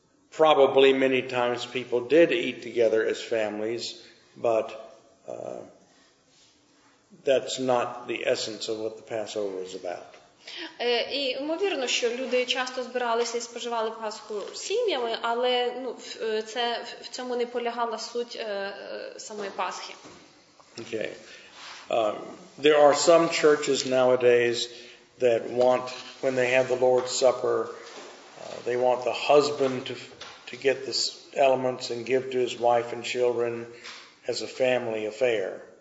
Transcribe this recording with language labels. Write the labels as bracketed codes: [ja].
[en] Probably many times people did eat together as families, but that's not the essence of what the Passover is about. [uk] І ймовірно, що люди часто збиралися і споживали Пасху сім'ями, але ну, це в цьому не полягала суть самої Пасхи. [en] Okay. There are some churches nowadays that want, when they have the Lord's Supper, they want the husband to get the elements and give to his wife and children as a family affair.